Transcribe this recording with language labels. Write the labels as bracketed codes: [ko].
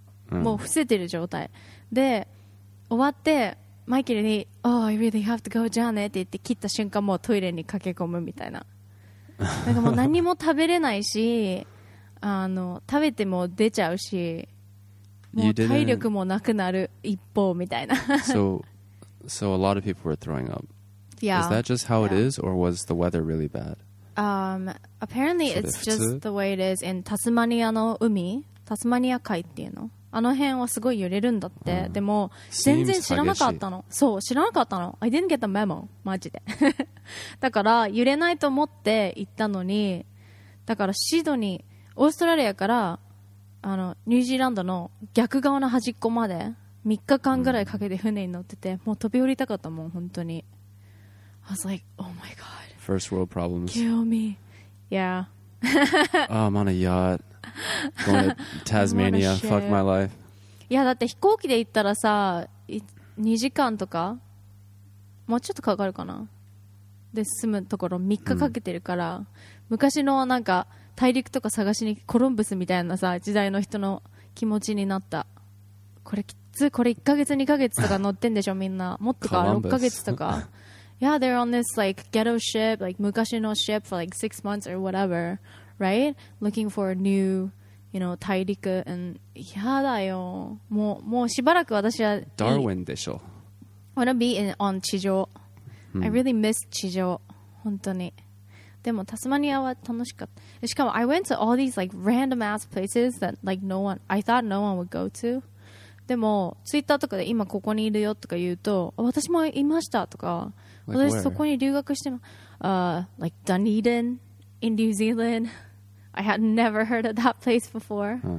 [ja] もう伏せてる状態で終わってマイケルに [en] Oh, I really have to go, [ja] じゃあねって言って切った瞬間もうトイレに駆け込むみたいな。なんかもう何も食べれないし、あの食べても出ちゃうし、もう体力もなくなる一方みたいな。 [en] So a lot of people were throwing up. Yeah. Is that just how it is, or was the weather really bad? Apparently it's just the way it is in [ja] タスマニアの海、タスマニア海っていうの。あの辺はすごい揺れるんだって、でも全然知らなかったの。そう、知らなかったの。 [en] I didn't get the memo [ja] マジで。だから揺れないと思って行ったのに、だからシドニー、オーストラリアからあのニュージーランドの逆側の端っこまで3日間ぐらいかけて船に乗ってて、もう飛び降りたかったもん本当に。 [en] I was like oh my god first world problems kill me yeah I'm on a yachtGoing to Tasmania, fuck my life. [ja] いやだって飛行機で行ったらさ、2時間とかもうちょっとかかるかな。で住むところ3日かけてるから、昔のなんか大陸とか探しにコロンブスみたいなさ時代の人の気持ちになった。これきつ、これ1ヶ月2ヶ月とか乗ってんでしょみんな。もっとか6ヶ月とか。 [en] Yeah, they're on this like ghetto ship, like [ja] 昔の [en] ship for like 6 months or whatever. Right? Looking for a new, you know, 大陸 and... [ja] やだよ。もうしばらく私は... Darwin でしょ。 [en] I wanna be in, on 地上。I really miss 地上。 [ja] 本当に。でも、タスマニアは楽しかった。しかも、 [en] I went to all these, like, random ass places that, like, no one... I thought no one would go to. [ja] でも、Twitter とかで今ここにいるよとか言うと、私もいましたとか、 like、私そこに留学しても、 [en] like, Dunedin? In New Zealand, I had never heard of that place before.